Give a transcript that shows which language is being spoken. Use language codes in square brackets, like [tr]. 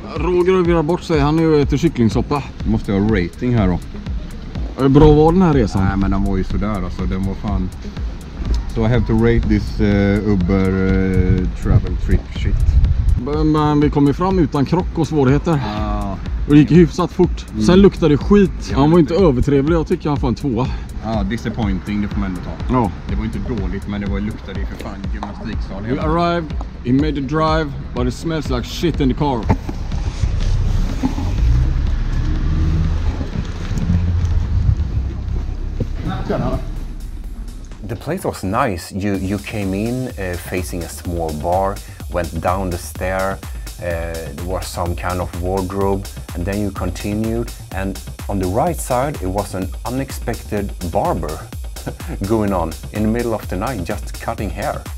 [sv] Roger har virat bort sig, han är ju äter kycklingsoppa. Måste jag ha rating här då? Är det bra att vara den här resan? Nej, men den var ju sådär alltså, den var fan... [en] So I have to rate this Uber travel trip shit. [sv] Men vi kom ju fram utan krock och svårigheter. Ja. Och det gick hyfsat fort. Mm. Sen luktade det skit. Ja, han var inte övertrevlig, jag tycker han får en tvåa. Ja, disappointing, det får man ändå ta. Ja. Det var inte dåligt, men det var luktade ju för fan gymnastiksal. [en] We arrived, he made the drive, but it smells like shit in the car. The place was nice. You came in facing a small bar, went down the stair, there was some kind of wardrobe, and then you continued, and on the right side it was an unexpected barber going on in the middle of the night, just cutting hair.